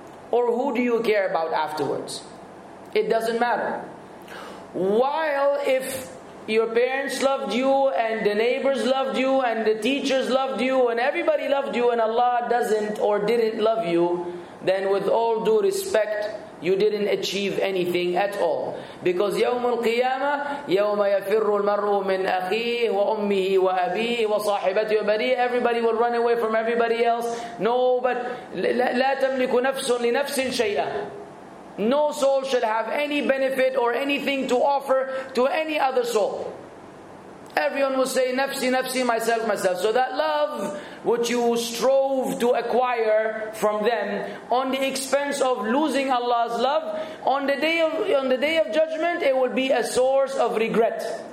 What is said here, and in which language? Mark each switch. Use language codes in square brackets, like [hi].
[en] Or who do you care about afterwards? It doesn't matter. While if your parents loved you, and the neighbors loved you, and the teachers loved you, and everybody loved you, and Allah doesn't or didn't love you, then with all due respect, you didn't achieve anything at all. Because [ar] يوم القيامة يوم يفر المرء من أخيه وأمه وأبيه وصاحبته وبنيه. [en] Everybody will run away from everybody else. No, but [ar] لا تملك نفس لنفس شيئا. [en] No soul should have any benefit or anything to offer to any other soul. Everyone will say, nafsi, nafsi, myself, myself. So that love which you strove to acquire from them on the expense of losing Allah's love, on the day of judgment, it will be a source of regret.